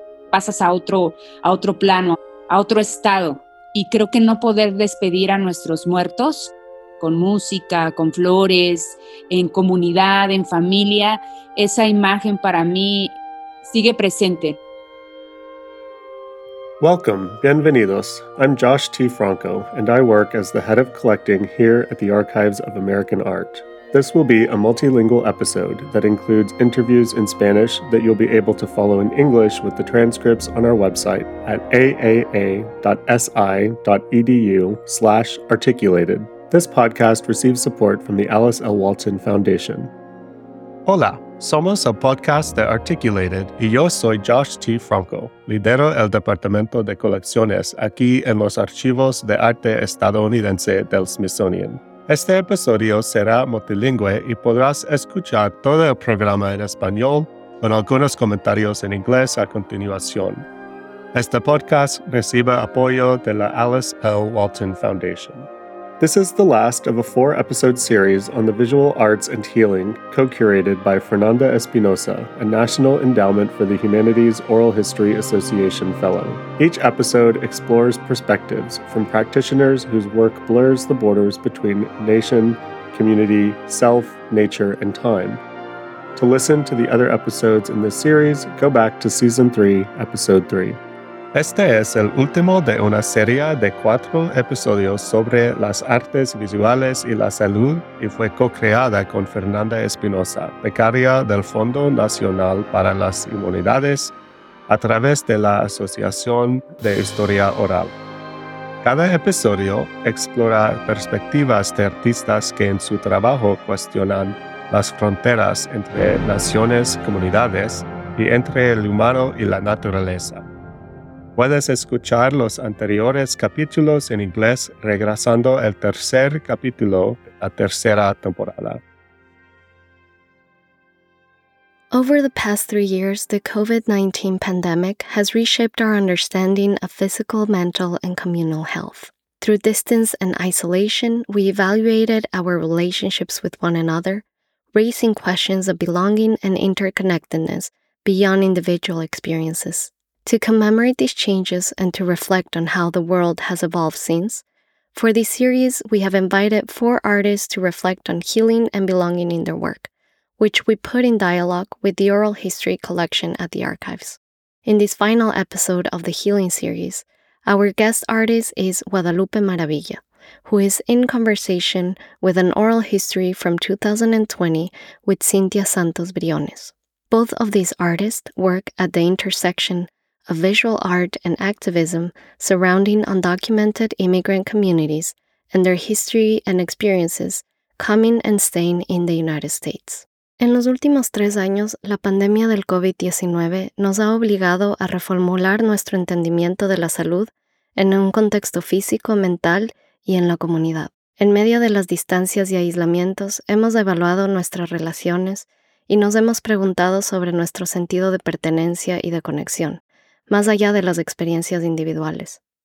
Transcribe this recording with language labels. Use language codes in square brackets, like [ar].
[es] Pasas a otro plano, a otro estado. Y creo que no poder despedir a nuestros muertos con música, con flores, en comunidad, en familia, esa imagen para mí sigue presente. [en] Welcome, [es] bienvenidos. [en] I'm Josh T. Franco, and I work as the head of collecting here at the Archives of American Art. This will be a multilingual episode that includes interviews in Spanish that you'll be able to follow in English with the transcripts on our website at aaa.si.edu/articulated. This podcast receives support from the Alice L. Walton Foundation. [es] Hola, somos el podcast de Articulated y yo soy Josh T. Franco. Lidero el departamento de colecciones aquí en los archivos de arte estadounidense del Smithsonian. Este episodio será multilingüe y podrás escuchar todo el programa en español con algunos comentarios en inglés a continuación. Este podcast recibe apoyo de la Alice L. Walton Foundation. [en] This is the last of a 4-episode series on the visual arts and healing co-curated by Fernanda Espinosa, a National Endowment for the Humanities Oral History Association Fellow. Each episode explores perspectives from practitioners whose work blurs the borders between nation, community, self, nature, and time. To listen to the other episodes in this series, go back to Season 3, Episode 3. [es] Este es el último de una serie de 4 episodios sobre las artes visuales y la salud y fue co-creada con Fernanda Espinosa, becaria del Fondo Nacional para las Humanidades, a través de la Asociación de Historia Oral. Cada episodio explora perspectivas de artistas que en su trabajo cuestionan las fronteras entre naciones, comunidades y entre el humano y la naturaleza. Puedes escuchar los anteriores capítulos en inglés regresando al tercer capítulo, la tercera temporada. [en] Over the past 3 years, the COVID-19 pandemic has reshaped our understanding of physical, mental, and communal health. Through distance and isolation, we evaluated our relationships with one another, raising questions of belonging and interconnectedness beyond individual experiences. To commemorate these changes and to reflect on how the world has evolved since, for this series, we have invited 4 artists to reflect on healing and belonging in their work, which we put in dialogue with the oral history collection at the archives. In this final episode of the healing series, our guest artist is Guadalupe Maravilla, who is in conversation with an oral history from 2020 with Cinthya Santos-Briones. Both of these artists work at the intersection of visual art and activism surrounding undocumented immigrant communities and their history and experiences coming and staying in the United States. [es] En los últimos 3 años, la pandemia del COVID-19 nos ha obligado a reformular nuestro entendimiento de la salud en un contexto físico, mental y en la comunidad. En medio de las distancias y aislamientos, hemos evaluado nuestras relaciones y nos hemos preguntado sobre nuestro sentido de pertenencia y de conexión, más allá de las experiencias individuales.